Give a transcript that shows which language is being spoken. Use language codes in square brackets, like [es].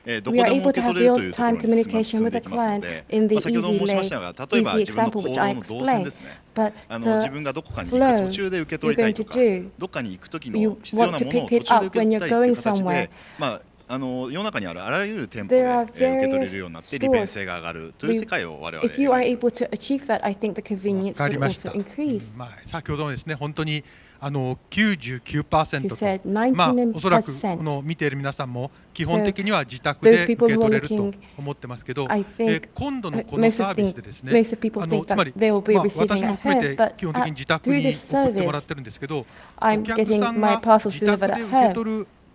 [ja] どこでも受け取れるというところに進んでいきますので、先ほども申しましたが、例えば自分の行動の動線ですね、自分がどこかに行く途中で受け取りたいとか、どこかに行くときの必要なものを途中で受け取りたいという形で、世の中にあるあらゆる店舗で受け取れるようになって利便性が上がるという世界を我々は [en] If you are able to achieve that, I think the convenience will also increase. [ja] 先ほどですね、本当に99% と、おそらくこの見ている皆さんも基本的には自宅で受け取れると思ってますけど、今度のこのサービスでですね、つまり私も含めて基本的に自宅に送ってもらってるんですけど、お客さんが自宅で受け取る